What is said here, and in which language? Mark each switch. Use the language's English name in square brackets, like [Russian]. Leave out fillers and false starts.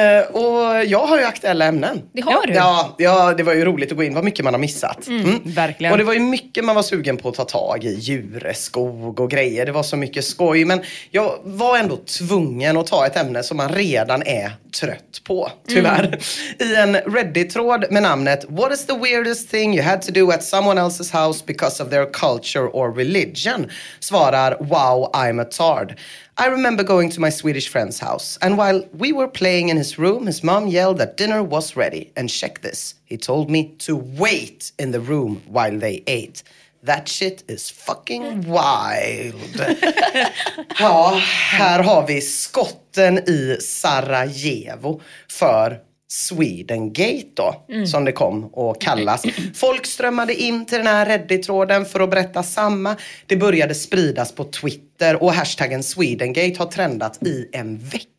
[Swedish] Och jag har ju aktuella ämnen. Det har du. Ja, det var ju roligt att gå in. Vad mycket man har missat. Verkligen. Och det var ju mycket man var sugen på att ta tag i. Djur, skog och grejer. Det var så mycket skoj. Men jag var ändå tvungen att ta ett ämne som man redan är trött på. Tyvärr. I en Reddit-tråd med namnet [English] What is the weirdest thing you had to do at someone else's house because of their culture or religion? [Swedish] Svarar [English] Wow, I'm a Sard. I remember going to my Swedish friend's house, and while we were playing in his room, his mom yelled that dinner was ready. And check this, he told me to wait in the room while they ate. That shit is fucking wild. [Swedish] Ja, här har vi skotten i Sarajevo för Swedengate då, som det kom att kallas. Folk strömmade in till den här Reddit-tråden för att berätta samma. Det började spridas på Twitter och hashtaggen Swedengate har trendat i en vecka.